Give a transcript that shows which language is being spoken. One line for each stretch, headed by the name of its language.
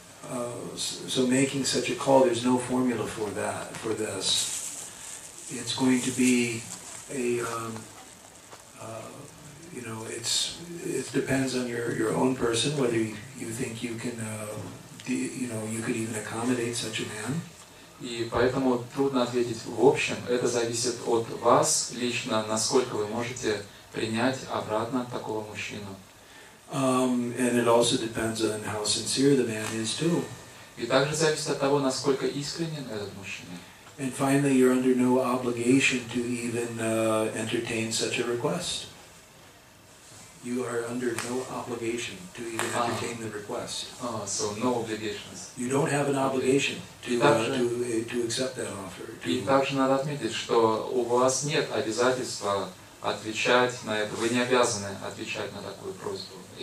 English: And so making such a call, there's no formula for that, for this. It's going to be it depends on your own person, whether you think you can you could even accommodate such a man.
Russian: И поэтому трудно ответить в общем. Это зависит от вас лично, насколько вы можете принять обратно такого мужчину.
English: And it also depends on how sincere the man is too.
Russian: И также зависит от того, насколько искренен этот мужчина.
English: And finally, you're under no obligation to even entertain such a request. You are under no obligation to even entertain the request. So no obligations. You don't have an obligation to accept that offer.
Russian: И также надо отметить, что у вас нет обязательства отвечать на это. Вы не обязаны отвечать на такую просьбу.